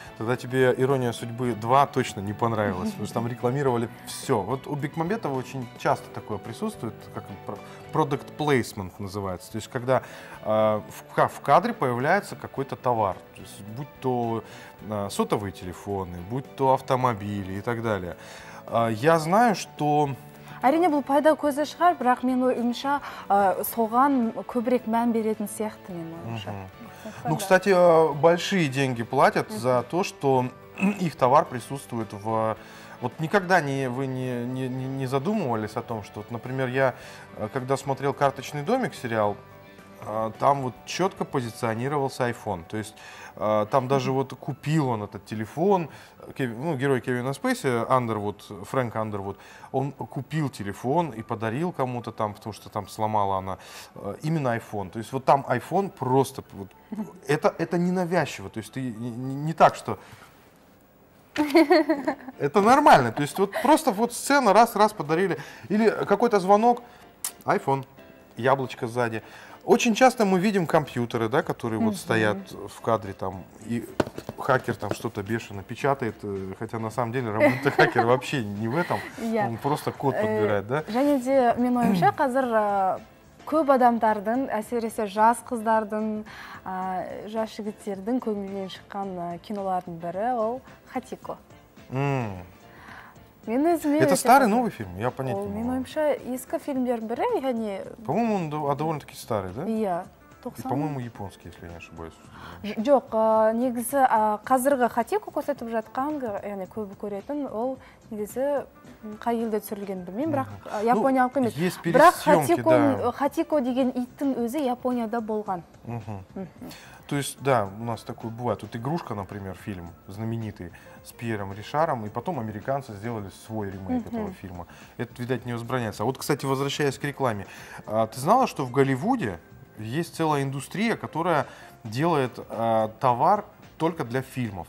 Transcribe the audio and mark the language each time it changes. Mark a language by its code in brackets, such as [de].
[ru] Тогда тебе «Ирония судьбы 2» точно не понравилась, потому что там рекламировали все. Вот у Бекмамбетова очень часто такое присутствует, как [en] product placement [ru] называется. То есть когда в кадре появляется какой-то товар, то есть, будь то сотовые телефоны, будь то автомобили и так далее. Я знаю, что... [kk] Әрине бұл пайда көзі шығар, бірақ мен ойымша соған көбірек мән беретін сияқты мен ойымша. [ru] Ну, кстати, большие деньги платят за то, что их товар присутствует в... Вот никогда вы не задумывались о том, что, вот, например, я, когда смотрел «Карточный домик» сериал, там вот четко позиционировался iPhone, то есть там даже вот купил он этот телефон, ну, герой Кевина Спейси, Андервуд, Фрэнк Андервуд, он купил телефон и подарил кому-то там, потому что там сломала она, именно iPhone, то есть вот там iPhone просто, вот, это ненавязчиво, то есть ты не так, что... Это нормально, то есть вот просто вот сцена раз-раз подарили, или какой-то звонок, iPhone, яблочко сзади. Очень часто мы видим компьютеры, да, которые вот стоят в кадре, там, и хакер там что-то бешено печатает, хотя на самом деле работа хакер вообще не в этом, он просто код подбирает. [kk] Және де, мен ойымша, қазір көп адамдардың, әсіресе жас қыздардың, жас жігіттердің көңілінен шыққан кинолардың бірі ол «Хатико». [ru] Это старый новый фильм, я понятия не могу. Иска фильм Дербере, я не... По-моему, он довольно-таки старый, да? Я. И, по-моему, японский, если я не ошибаюсь. [kk] Жок, негізі, қазіргі Хатико көрсетіп жатқан, яғни көбі көретін, ол негізі қай елде түсірілген білмеймін, бірақ япониялық емес. [ru] Есть пересъемки, да. [kk] Бірақ Хатико деген иттің өзі Японияда болған. [ru] То есть, да, у нас такое бывает. Вот «Игрушка», например, фильм знаменитый с Пьером Ришаром, и потом американцы сделали свой ремейк этого фильма. Это, видать, не возбраняется. А вот, кстати, возвращаясь к рекламе, ты знала, что в Голливуде есть целая индустрия, которая делает товар только для фильмов?